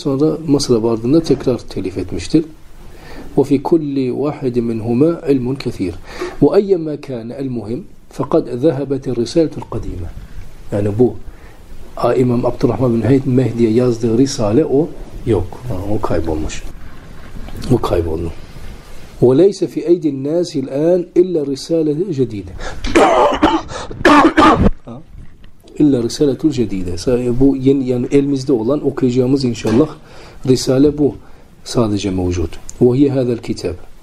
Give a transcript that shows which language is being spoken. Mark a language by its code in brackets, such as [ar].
[tr] Sonra Mısır'a vardığında tekrar telif etmiştir. [ar] وَفِي كُلِّ وَاحِدٍ مِنْهُمَا عِلْمٌ كَثِيرٌ وَاَيَّمَا كَانَ الْمُهِمْ فَقَدْ ذَهَبَتِ الرِّسَالَةُ الْقَدِيمَةِ. [tr] Yani bu İmam Abdurrahman bin Mehdi'ye yazdığı risale o yok. Yani o kaybolmuş. O kayboldu. [ar] وَلَيْسَ فِي اَيْدِ النَّاسِ الْاَنْ اِلَّا رِسَالَةِ جَدِيدَةِ İlla Risale-tul Cedide. [tr] Bu yeni, yani elimizde olan okuyacağımız inşallah Risale bu. Sadece mevcut. [ar] Ve hiye hâzel kitab.